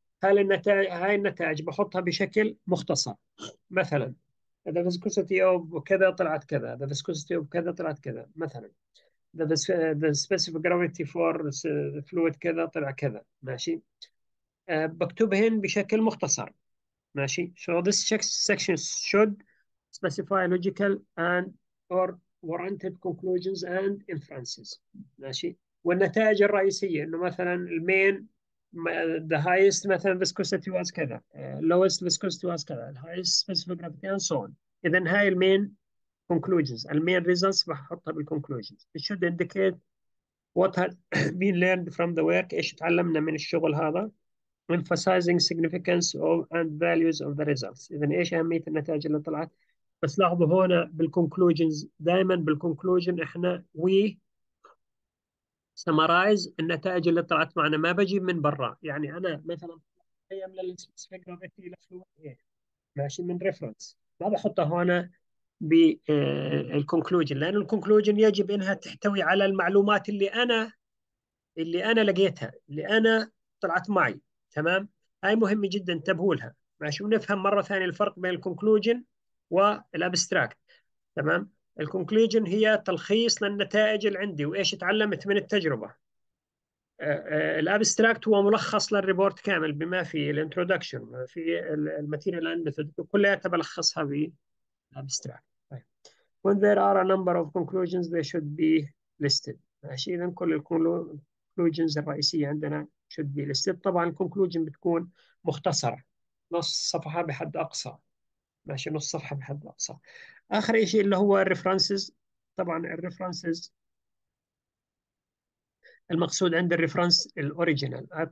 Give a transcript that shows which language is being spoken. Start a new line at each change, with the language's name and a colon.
Arabic: هاي النتائج بحطها بشكل مختصر، مثلا
English: the viscosity of
Arabic: كذا طلعت كذا، the viscosity of كذا طلعت كذا، مثلا
English: the specific gravity for the fluid
Arabic: كذا طلع كذا، ماشي. بكتبهن بشكل مختصر، ماشي.
English: So this section should specify logical and or warranted conclusions and inferences، ماشي.
Arabic: والنتائج الرئيسية انه مثلا المين
English: the highest مثلا viscosity was كذا, lowest viscosity was كذا, the highest specific gravity and so on.
Arabic: إذا هاي المين conclusions, المين results بحطها بالconclusions.
English: It should indicate what has been learned from the work,
Arabic: إيش تعلمنا من الشغل هذا,
English: emphasizing significance of and values of the results.
Arabic: إذا إيش أهمية النتائج اللي طلعت. بس لاحظوا هون بالconclusions, دائما بالconclusion إحنا we سمرايز النتائج اللي طلعت معنا, ما بجيب من برا. يعني انا مثلا قيم للسبيسفيك جرافيتي لفلويد ايه ماشي من ريفرنس, ما بحطها هون بالكونكلوجن, لان الكونكلوجن يجب انها تحتوي على المعلومات اللي انا لقيتها, اللي انا طلعت معي. تمام, هاي مهمه جدا انتبهولها ماشي, ونفهم مره ثانيه الفرق بين الكونكلوجن والابستراكت. تمام, الكونكلوجن هي تلخيص للنتائج اللي عندي وايش تعلمت من التجربه. الابستراكت هو ملخص للريبورت كامل بما في الانترودكشن, في الماتيريال اند ميثود, كلها بلخصها بالابستراكت.
English: طيب, when there are a number of conclusions they should be listed.
Arabic: ماشي, اذا كل الكونكلوجنز الرئيسيه عندنا
English: should be listed.
Arabic: طبعا الكونكلوجن بتكون مختصره, نص صفحه بحد اقصى. ماشي, نص صفحه بحد اقصى. اخر شيء اللي هو الريفرنسز. طبعا الريفرنسز المقصود عند الريفرنس الاوريجينال.